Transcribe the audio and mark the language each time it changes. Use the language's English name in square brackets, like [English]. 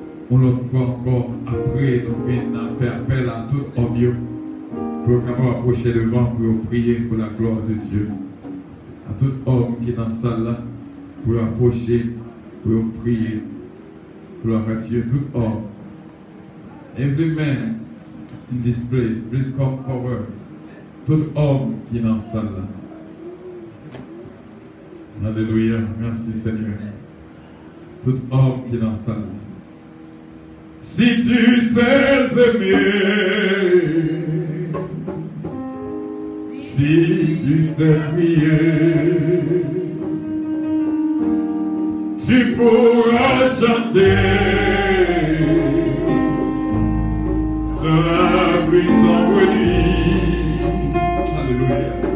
[French] On le fait encore après, nous venons faire appel à tout au mieux. Pour qu'on puisse approcher devant, pour prier pour la gloire de Dieu. À tout homme qui est dans la salle là, pour approcher, pour prier, pour la Dieu, tout homme. [English] Every man in this place, please come forward. [French] Tout homme qui est dans la salle là. Alléluia, merci Seigneur. Tout homme qui est dans la salle là. Si tu sais aimer, si tu sais prier, tu pourras chanter dans la puissance de nuit. Alléluia.